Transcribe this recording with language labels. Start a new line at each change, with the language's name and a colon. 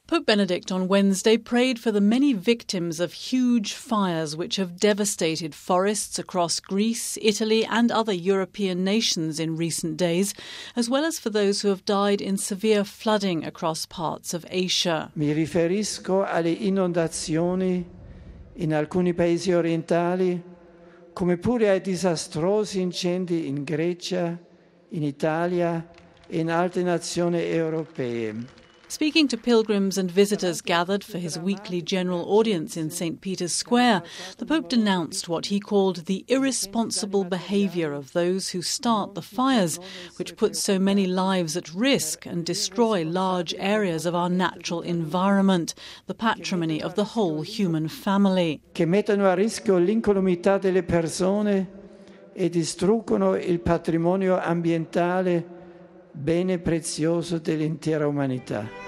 English: Pope Benedict on Wednesday prayed for the many victims of huge fires which have devastated forests across Greece, Italy and other European nations in recent days, as well as for those who have died in severe flooding across parts of Asia.
Italian: Mi riferisco alle inondazioni in alcuni paesi orientali, come pure ai disastrosi incendi in Grecia, in Italia, in altre nazioni europee.
English: Speaking to pilgrims and visitors gathered for his weekly general audience in St. Peter's Square, the Pope denounced what he called the irresponsible behaviour of those who start the fires, which put so many lives at risk and destroy large areas of our natural environment, the patrimony of the whole human family.
Italian: Che mettono a rischio l'incolumità delle persone e distruggono il patrimonio ambientale, bene prezioso dell'intera umanità.